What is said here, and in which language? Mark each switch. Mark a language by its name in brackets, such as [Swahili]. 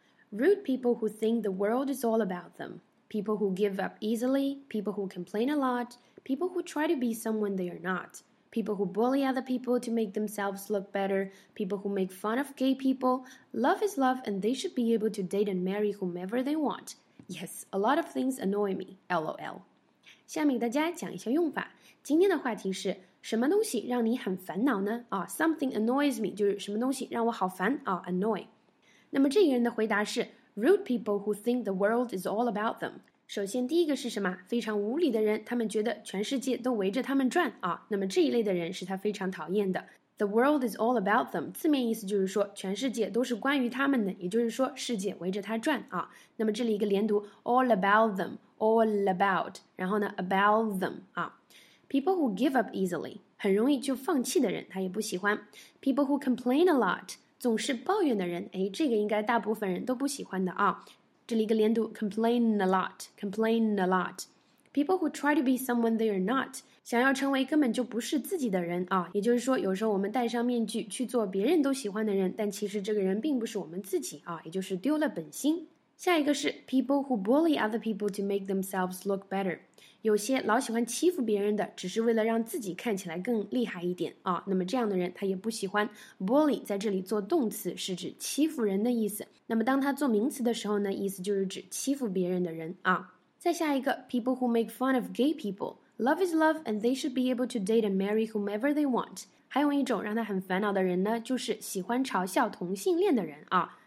[English] Rude people who think the world is all about them. People who give up easily. People who complain a lot. People who try to be someone they are not. People who bully other people to make themselves look better. People who make fun of gay people. Love is love and they should be able to date and marry whomever they want. Yes, a lot of things annoy me, LOL. [Chinese] 下面给大家讲一下用法。今天的话题是什么东西让你很烦恼呢？ [English] Something annoys me, [Chinese] 就是什么东西让我好烦annoy. 那么这个人的回答是 [English] rude people who think the world is all about them. [Chinese] 首先第一个是什么？非常无理的人，他们觉得全世界都围着他们转那么这一类的人是他非常讨厌的。 [English] The world is all about them. [Chinese] 字面意思就是说全世界都是关于他们的，也就是说世界围着他转啊。那么这里一个连读 [English] all about them, [Chinese] all about, 然后呢 about them, 啊。 [English] People who give up easily, [Chinese] 很容易就放弃的人他也不喜欢。 [English] People who complain a lot, [Chinese] 总是抱怨的人这个应该大部分人都不喜欢的啊。这里一个连读 [English] complain a lot, complain a lot. People who try to be someone they are not, [Chinese] 想要成为根本就不是自己的人啊，也就是说有时候我们戴上面具去做别人都喜欢的人，但其实这个人并不是我们自己啊，也就是丢了本心。下一个是 [English] people who bully other people to make themselves look better, [Chinese] 有些老喜欢欺负别人的，只是为了让自己看起来更厉害一点啊，那么这样的人他也不喜欢。 bully 在这里做动词是指欺负人的意思，那么当他做名词的时候呢，意思就是指欺负别人的人啊。再下一个 [English] people who make fun of gay people. Love is love and they should be able to date and marry whomever they want. [Chinese] 还有一种让他很烦恼的人呢，就是喜欢嘲笑同性恋的人啊。